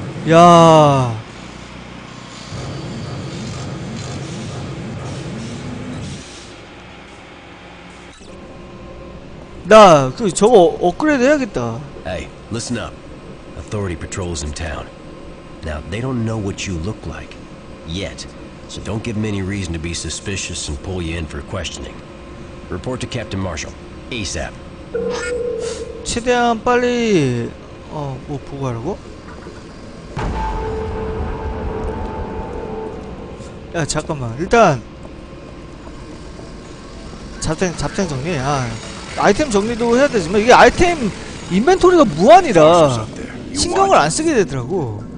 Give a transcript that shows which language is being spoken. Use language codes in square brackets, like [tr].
[ko] 야. 나 그 저거 업그레이드 해야겠다. [en] Hey, listen up. Authority patrols in town. Now, they don't know what you look like yet. So don't give them any reason to be suspicious and pull you in for questioning. Report to Captain Marshall ASAP. [ko] 최대한 빨리 뭐 보고 하라고? 야 잠깐만 일단 잡생 정리. 아 아이템 정리도 해야 되지만 이게 아이템 인벤토리가 무한이라 신경을 안 쓰게 되더라고.